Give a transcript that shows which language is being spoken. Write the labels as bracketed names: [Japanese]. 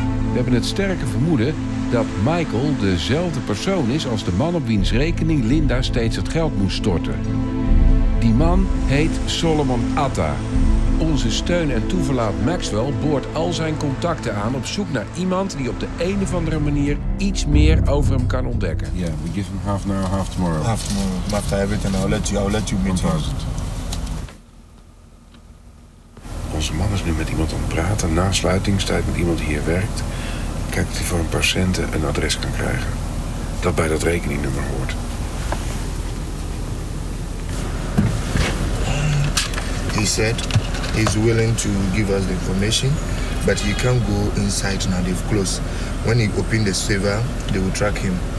[Dutch] We hebben het sterke vermoeden dat Michael dezelfde persoon is als de man op wiens rekening Linda steeds het geld moest storten. Die man heet Solomon Atta. Onze steun en toeverlaat Maxwell boort al zijn contacten aan op zoek naar iemand die op de een of andere manier iets meer over hem kan ontdekken. [English] Ja, yeah, we give him half an hour, half tomorrow. Half tomorrow. But I have it and I'll let you meet him. [Dutch] Onze man is nu met iemand aan het praten. Na sluitingstijd met iemand die hier werkt. Kijk of hij voor een patiënt een adres kan krijgen. Dat bij dat rekeningnummer hoort. [English] He said he's willing to give us the information, but he can't go inside now. They've closed. When he opened the server, they will track him.